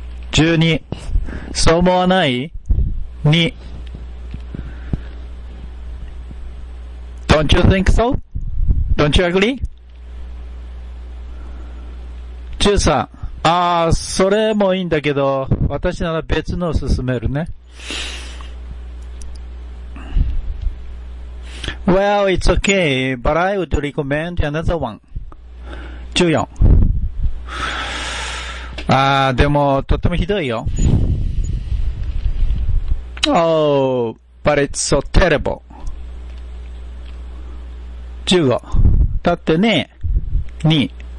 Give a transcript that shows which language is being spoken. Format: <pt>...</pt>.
<en>12、</en> <ja>そう思わない？</ja> <en>2、 Don't you think so? Don't you agree?</en> <ja>13、ああ、それもいいんだけど、私なら別のを勧めるね。</ja> <en>Well, it's okay, but I would recommend another one. 14。</en> <ja>ああ、でも、とってもひどいよ。</ja> <en>Oh, but it's so terrible.</en> <ja>15。 だってね、2。</ja>